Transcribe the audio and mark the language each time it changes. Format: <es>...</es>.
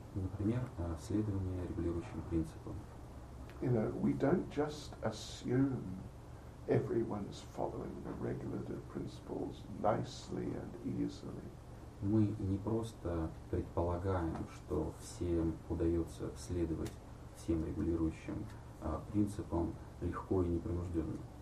<ru>Например, следование регулирующим принципам.</ru> <en>You know, we don't just assume everyone's following the regulative principles nicely and easily.</en> <ru>Мы не просто предполагаем, что всем удается следовать всем регулирующим принципам легко и непринужденно.</ru>